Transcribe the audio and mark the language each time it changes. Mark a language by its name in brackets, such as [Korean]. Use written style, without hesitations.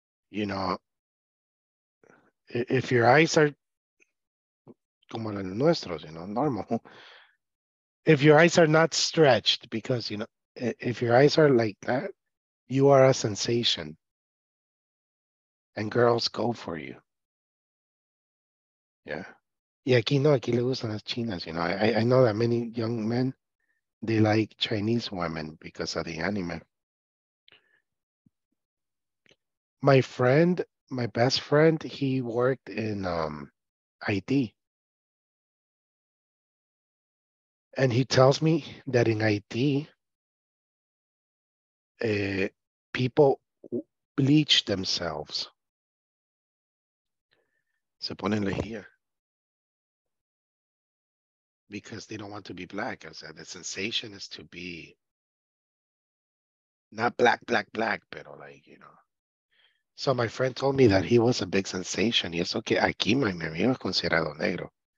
[English] You know, if your eyes are [Spanish] como los nuestros, [English] you know, normal. If your eyes are not stretched, because, you know, if your eyes are like that, you are a sensation. And girls go for you. Yeah. [Spanish] Y aquí no, aquí le gustan las chinas. [English] You know, I know that many young men, they like Chinese women because of the anime. My friend, my best friend, he worked in IT. And he tells me that in IT, people bleach themselves. [Spanish] Se ponen lejía. [English] Because they don't want to be black. I said, the sensation is to be not black, pero like, you know. So my friend told me that he was a big sensation. [Spanish] Y eso que aquí, mi amigo es considerado negro.